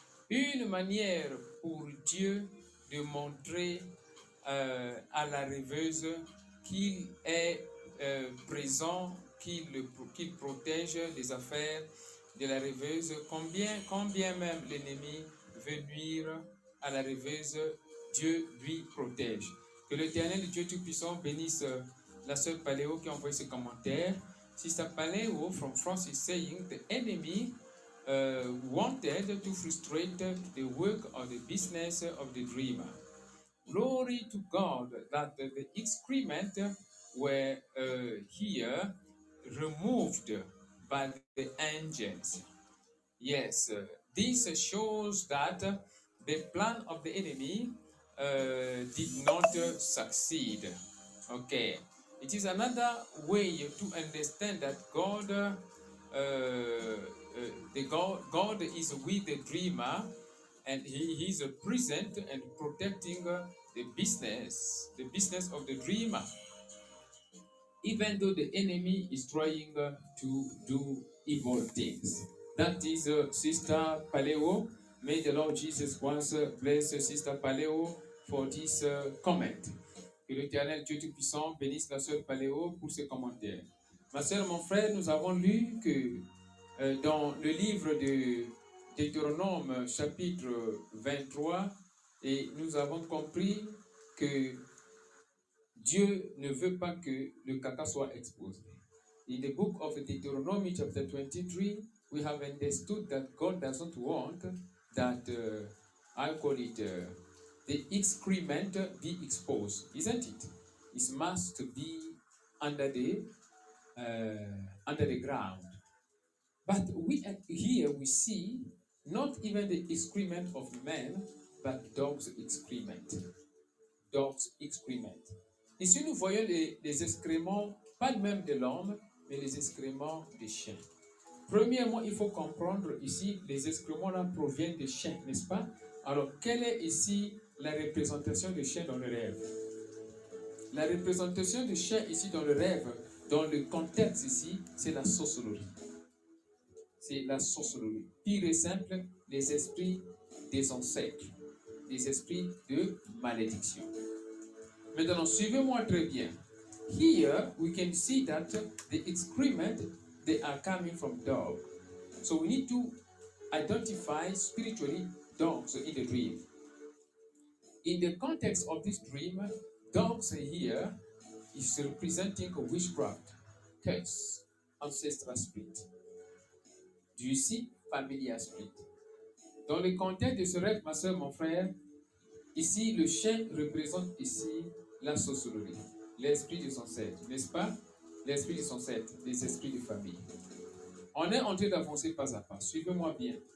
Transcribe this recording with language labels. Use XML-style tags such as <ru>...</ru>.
<fr>Une manière pour Dieu de montrer à la rêveuse qu'il est présent, qu'il protège les affaires de la rêveuse, combien même l'ennemi veut nuire à la rêveuse, Dieu lui protège. Que l'Éternel Dieu Tout-Puissant bénisse la sœur Paléo qui a envoyé ce commentaire.</fr> <en>Sister Paléo from France is saying the enemy wanted to frustrate the work or the business of the dreamer. Glory to God that the excrement were here removed by the angels. Yes, this shows that the plan of the enemy did not succeed. Okay. It is another way to understand that God is with the dreamer and he is present and protecting the business of the dreamer, even though the enemy is trying to do evil things. That is Sister Paléo. May the Lord Jesus once bless Sister Paléo for this comment.</en> <fr>Que l'Éternel Dieu Tout-Puissant bénisse la sœur Paléo pour ses commentaires. Ma sœur, mon frère, nous avons lu que dans le livre de Deutéronome, chapitre 23, et nous avons compris que Dieu ne veut pas que le caca soit exposé. In the book of Deuteronomy, chapter 23, we have understood that God doesn't want that, the excrement be exposed, isn't it? It must be under the ground. But we see not even the excrement of men, but dog's excrement. Dog's excrement. Ici nous voyons les excréments, pas même de l'homme, mais les excréments des chiens. Premièrement, il faut comprendre ici, les excréments là proviennent des chiens, n'est-ce pas? Alors, quel est ici la représentation du chien dans le rêve? La représentation du chien ici dans le rêve, dans le contexte ici, c'est la sorcellerie. C'est la sorcellerie. Pire et simple, les esprits des ancêtres, les esprits de malédiction. Maintenant, suivez-moi très bien.</fr> <en>Here, we can see that the excrement, they are coming from dog. So we need to identify spiritually dogs in the dream. In the context of this dream, dogs here is representing a witchcraft, curse, ancestral spirit. Do you see familiar spirit?</en> <fr>Dans le contexte de ce rêve, ma soeur, mon frère, ici le chien représente ici la sorcellerie, l'esprit des ancêtres, n'est-ce pas? l'esprit des ancêtres, les esprits de famille. On est en train d'avancer pas à pas. Suivez-moi bien.</fr>